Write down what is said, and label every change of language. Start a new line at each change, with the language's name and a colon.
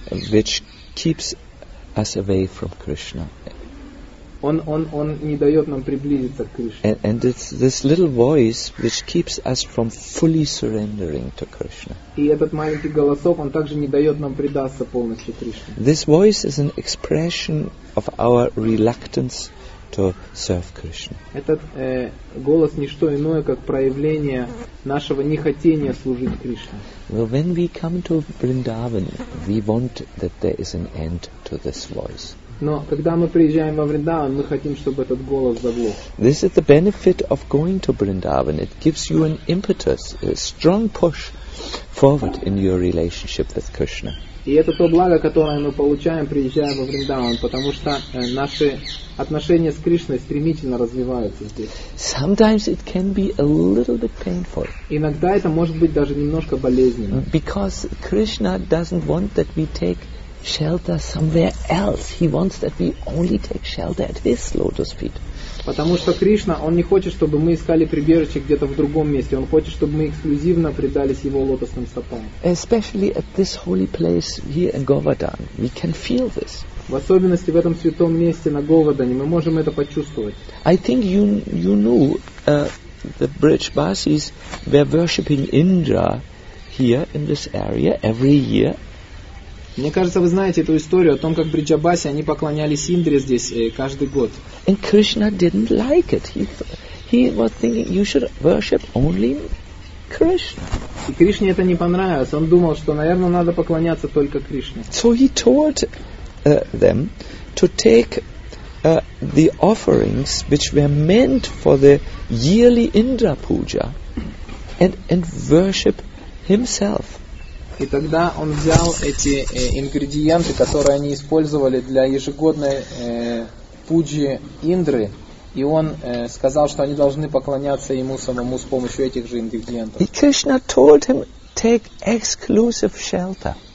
English: which keeps us away from Krishna.
Russian: Он не дает нам приблизиться к Кришне.
English: And it's this little voice which keeps us from fully surrendering to Krishna.
Russian: И этот маленький голосок, он также не дает нам предаться полностью Кришне.
English: This voice is an expression of our reluctance to serve Krishna.
Russian: Этот голос не что иное, как проявление нашего нехотения служить Кришне.
English: Well, when we come to Vrindavan, we want that there is an end to this voice.
Russian: Но когда мы приезжаем во Вриндаван, мы хотим, чтобы этот голос заглох.
English: This is the benefit of going to Vrindavan. It gives you an impetus, a strong push forward in your relationship with Krishna.
Russian: И это то благо, которое мы получаем, приезжая во Вриндаван, потому что наши отношения с Кришной стремительно развиваются здесь.
English: Sometimes it can be a little bit painful.
Russian: Иногда это может быть даже немножко болезненно.
English: Because Krishna doesn't want that we take shelter somewhere else. He wants that we only take shelter at his lotus feet.
Russian: Потому что Кришна, он не хочет, чтобы мы искали прибежище где-то в другом месте. Он хочет, чтобы мы эксклюзивно предались его лотосным стопам.
English: Especially at this holy place here in Govardhan, we can feel this.
Russian: В особенности в этом святом месте на Говардхане мы можем это почувствовать.
English: I think you knew the Brijbasis were worshipping Indra here in this area every year.
Russian: Мне кажется, вы знаете эту историю о том, как Бриджабаси, они поклонялись Индре здесь каждый год.
English: And Krishna didn't like it. He was thinking you should worship only Krishna.
Russian: И Кришне это не понравилось. Он думал, что, наверное, надо поклоняться только Кришне.
English: So he taught them to take the offerings which were meant for the yearly Indra puja and worship himself.
Russian: И тогда он взял эти ингредиенты, которые они использовали для ежегодной пуджи Индры, и он сказал, что они должны поклоняться ему самому с помощью этих же ингредиентов.
English: И Кришна told him, take exclusive shelter.